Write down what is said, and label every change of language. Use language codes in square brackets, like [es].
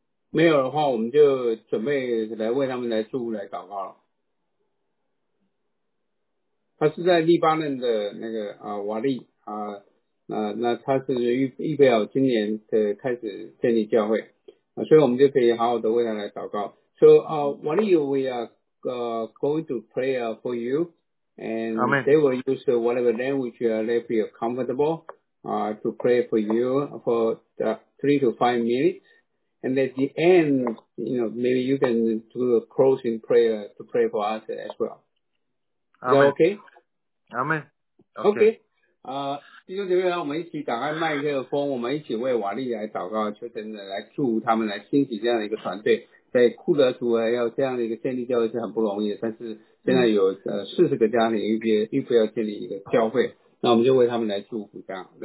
[zh] 没有的话，我们就准备来为他们来祝福、来祷告了。他是在黎巴嫩的那个瓦利啊，那他是预备好今年的开始建立教会。所以我们就可以好好的为他来祷告。 [en] So, Wally, we are, going to pray for you, and、 Amen. They will use whatever language they feel comfortable, to pray for you for 3 to 5 minutes. And at the end, you know, maybe you can do a closing prayer to pray for us as well. Amen. Is that okay? Amen. Okay. [zh] 弟兄姐妹，让我们一起打开麦克风，我们一起为瓦利来祷告，求神的来祝他们，来兴起这样的一个团队。在库德族要这样的一个建立教会是很不容易的，但是现在有40个家庭预备要建立一个教会，那我们就为他们来祝福这样。